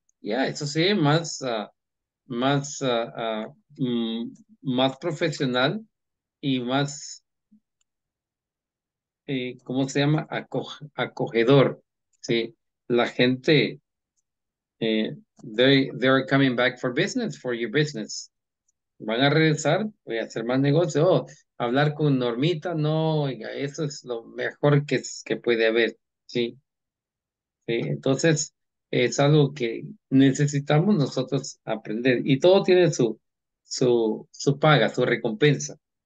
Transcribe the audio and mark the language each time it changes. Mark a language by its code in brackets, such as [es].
[es] Yeah, eso sí, más profesional y más, ¿cómo se llama? Acogedor. Sí, la gente. [en] They are coming back for business, for your business. [es] Van a regresar, voy a hacer más negocio. Oh, hablar con Normita, no, oiga, eso es lo mejor que puede haber, ¿sí? Entonces, es algo que necesitamos nosotros aprender y todo tiene su paga, su recompensa.